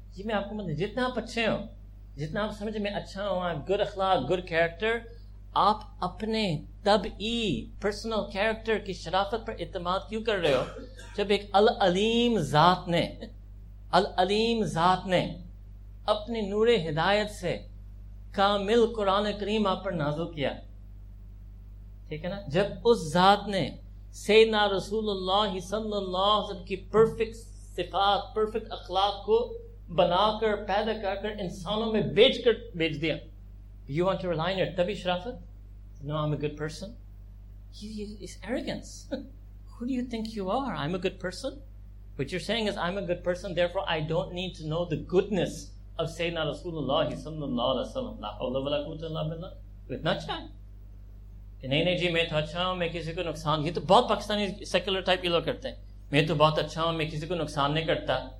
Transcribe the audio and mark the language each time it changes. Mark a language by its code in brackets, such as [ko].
[ur] جی میں آپ کو مطلب، جتنا آپ اچھے ہوں، جتنا آپ سمجھے میں اچھا ہوں، گڈ اخلاق، گڈ کیریکٹر، آپ اپنے طبی پرسنل کیریکٹر کی شرافت پر اعتماد کیوں کر رہے ہو جب ایک العلیم ذات نے، العلیم ذات نے اپنے نور ہدایت سے کامل قرآن کریم آپ پر نازل کیا، ٹھیک ہے نا؟ جب اس ذات نے سیدنا رسول اللہ صلی اللہ علیہ وسلم کی پرفیکٹ صفات، پرفیکٹ اخلاق کو بنا کر، پیدا کر کر انسانوں میں بیچ کر بیچ دیا، [en] you want to realign it, [ur] تبھی شرافت. [en] No I am a good person, it's arrogance. Who do you think you are? I am a good person. What you saying is I am a good person, therefore I don't need to know the goodness of سیدنا رسول اللہ صلی اللہ علیہ وسلم. [ar] لا حول ولا قوت الا باللہ. [ur] اتنا اچھا ہے کہ نہیں نہیں جی میں تو اچھا ہوں، میں کسی کو نقصان، یہ تو بہت پاکستانی سیکولر ٹائپ کے لوگ کرتے ہیں، میں تو بہت اچھا ہوں، میں کسی کو نقصان نہیں کرتا.